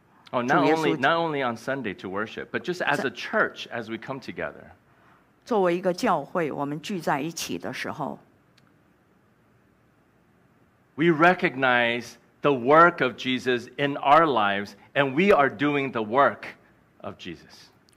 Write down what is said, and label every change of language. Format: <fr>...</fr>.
<en>Oh, not only on Sunday to worship, but just as a church as we come together.</en> <zh>作为一个教会，我们聚在一起的时候，</zh> <en>we recognize the work of Jesus in our lives, and we are doing the work of Jesus.</en>